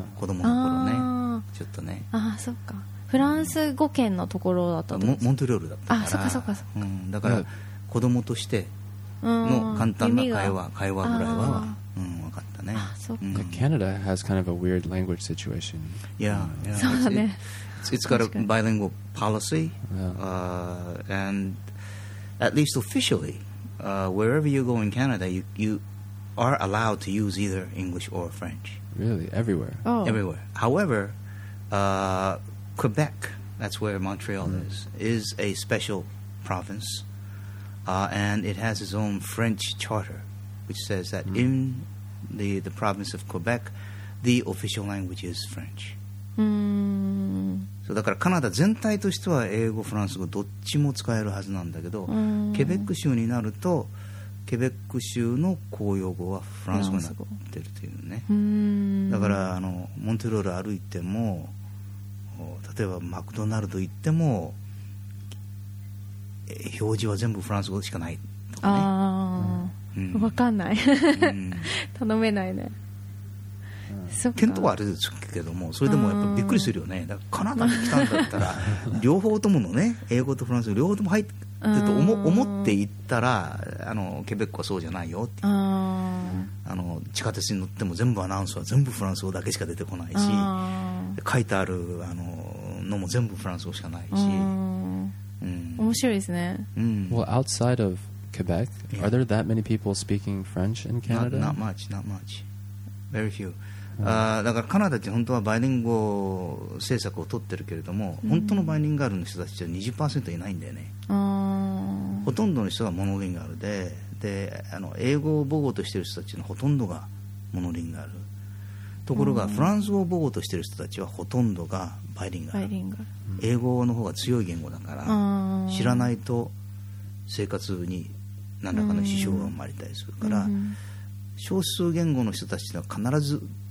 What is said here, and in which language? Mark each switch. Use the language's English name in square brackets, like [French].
[Japanese] 子供の頃ね、ちょっとね、あ、そっか、フランス語圏のところだったと、モントリオールだったから、あ、そっかそっかそっか、うん、だから子供としての簡単な会話ぐらいは、うん、分かったね。あ、そっか、 [English] うん、Canada has kind of a weird language situation. Yeah, [Japanese] yeah, そうだね。 [English] It's got a bilingual policy, and at least officially, wherever you go in Canada, you are allowed to use either English or French. Really? Everywhere? Oh. Everywhere. However, Quebec, that's where Montreal is a special province, and it has its own French charter, which says that in the province of Quebec, the official language is French. Mm. [Japanese] だからカナダ全体としては英語フランス語どっちも使えるはずなんだけど、ケベック州になるとケベック州の公用語はフランス語になってるというね。だからあのモントリオール歩いても、例えばマクドナルド行っても表示は全部フランス語しかないとかね。ああ、分かんない頼めないね。見当はあれですけども、それでもやっぱびっくりするよね。だからカナダに来たんだったら両方とものね、英語とフランス語両方とも入ってると思っていったら、あのケベックはそうじゃないよっていう。あの地下鉄に乗っても全部アナウンスは全部フランス語だけしか出てこないし、書いてあるあ の, のも全部フランス語しかないし、うん、面白いですね。 [English] Well, outside of Quebec, are there that many people speaking French in Canada? Not much. Very few. [Japanese] だからカナダって本当はバイリンゴ政策を取ってるけれども、本当のバイリンガルの人たちは 20% いないんだよね。ほとんどの人はモノリンガル であの英語を母語としてる人たちのほとんどがモノリンガル、ところがフランス語を母語としてる人たちはほとんどがバイリンガル、英語の方が強い言語だから、知らないと生活に何らかの支障が生まれたりするから、少数言語の人たちは必ず